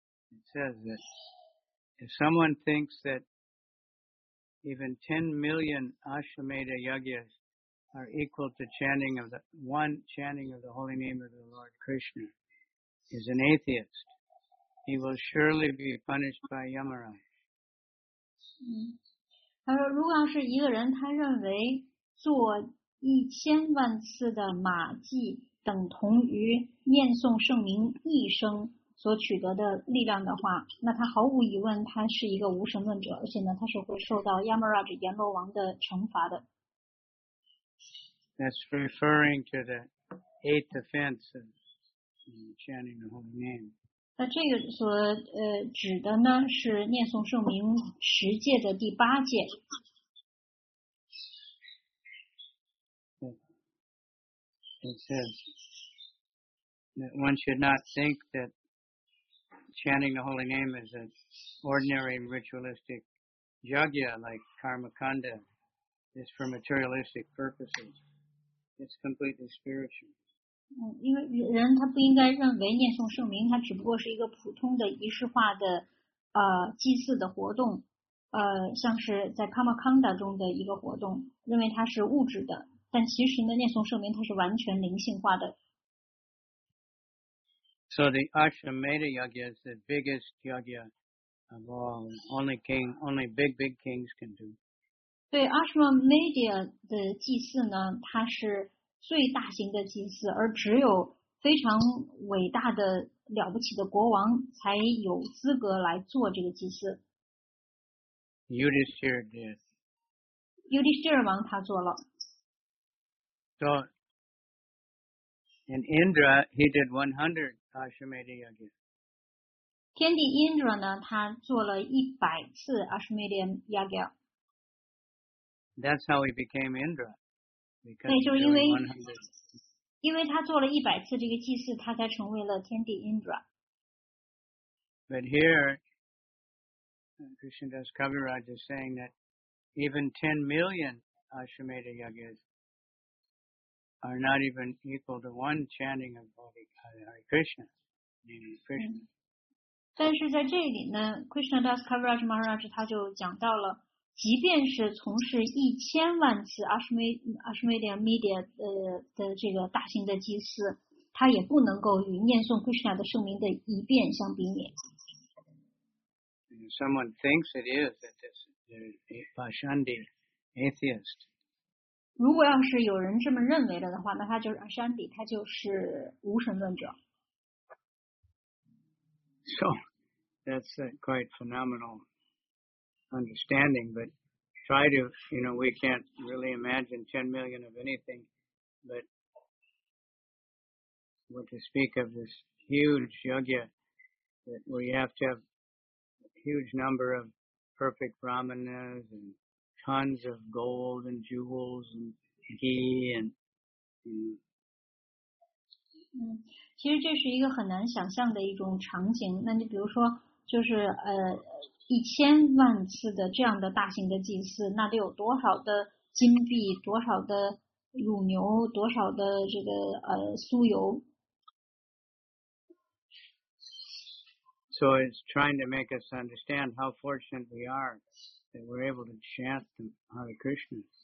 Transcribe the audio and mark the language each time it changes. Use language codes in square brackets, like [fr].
[en] It says that if someone thinks that even 10 million Ashwamedha Yajnas are equal to chanting of the one chanting of the holy name of the Lord Krishna is an atheist, he will surely be punished by Yamaraj. [zh] 嗯，他说，如果要是一个人他认为做一千万次的马迹等同于念诵圣名一生。所取得的力量的话，那他毫无疑问，他是一个无神论者，而且呢，他是会受到 Yamaraj 阎罗王的惩罚的。 [en] That's referring to the eighth offense of chanting the holy name. [zh] 那这个所指的呢，是念诵圣名十戒的第八戒。 [en] It says that one should not think that. Chanting the holy name is an ordinary ritualistic yajna like karmakanda. It's for materialistic purposes. It's completely spiritual. [zh] 嗯，因为人他不应该认为念诵圣名，它只不过是一个普通的仪式化的祭祀的活动，像是在 karmakanda 中的一个活动，认为它是物质的。但其实呢，念诵圣名它是完全灵性化的。 [en] So the Ashwamedha Yajna is the biggest yajna of all. Only big kings can do. [zh] 对 Ashwamedha 的祭祀呢，它是最大型的祭祀，而只有非常伟大的、了不起的国王才有资格来做这个祭祀。 [en] Yudhishthira did. [zh] Yudhishthira 王他做了。 [en] So, and Indra he did 100. Ashwamedha Yajna. [zh] 天帝 Indra 呢，他做了100次 Ashwamedha Yajna. [en] That's how he became Indra. [zh] 对，就是因为他做了100次这个祭祀，他才成为了天帝 Indra. [en] But here, Krishnadas Kaviraj is saying that even 10 million Ashwamedha Yajnas. Are not even equal to one chanting of Hare Krishna, namely Krishna. [zh] 但是在这里呢 ，Krishnadas Kaviraj Maharaj 他就讲到了，即便是从事一千万次 Ashwamedha 的这个大型的祭祀，他也不能够与念诵 Krishna 的圣名的一遍相比拟。 [en] Someone thinks it is that this Vaishnavi atheist. [zh] 如果要是有人这么认为了的话，那他就是山底，他就是无神论者。 [en] So that's a quite phenomenal understanding. But try to, you know, we can't really imagine 10 million of anything. But what to speak of this huge yajna that we have to have a huge number of perfect brahmanas and. Tons of gold and jewels and ghee and. [zh] 其实这是一个很难想象的一种场景。那你比如说，就是一千万次的这样的大型的祭祀，那得有多少的金币，多少的乳牛，多少的这个酥油。 [en] So it's trying to make us understand how fortunate we are. That we're able to chant the Hare Krishna.